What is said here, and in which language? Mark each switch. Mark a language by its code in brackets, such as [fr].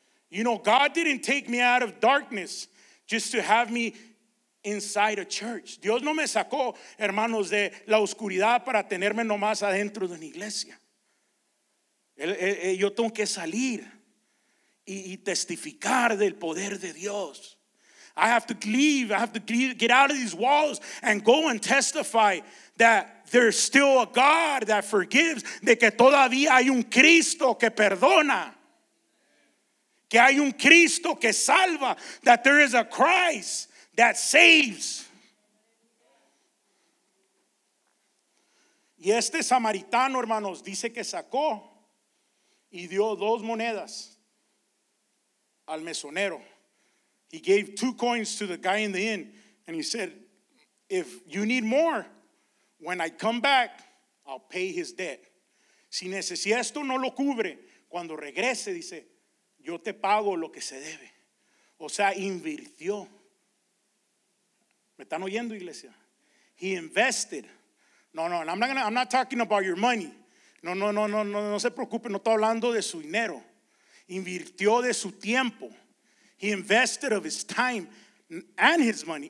[en] You know, God didn't take me out of darkness just to have me inside a church. [es] Dios no me sacó, hermanos, de la oscuridad para tenerme nomás adentro de una iglesia. Yo tengo que salir. Y testificar del poder de Dios. [en] I have to leave. I have to get out of these walls and go and testify that there's still a God that forgives. [es] De que todavía hay un Cristo que perdona. Que hay un Cristo que salva. [en] That there is a Christ that saves. [es] Y este samaritano, hermanos, dice que sacó y dio 2 monedas. Al mesonero. [en] He gave 2 coins to the guy in the inn. And he said, if you need more, when I come back, I'll pay his debt. [es] Si necesita esto no lo cubre, cuando regrese, dice, yo te pago lo que se debe. O sea, invirtió. ¿Me están oyendo, iglesia? [en] He invested. No, I'm not talking about your money. [es] No se preocupe, no estoy hablando de su dinero. Invirtió de su tiempo. [en] He invested of his time and his money.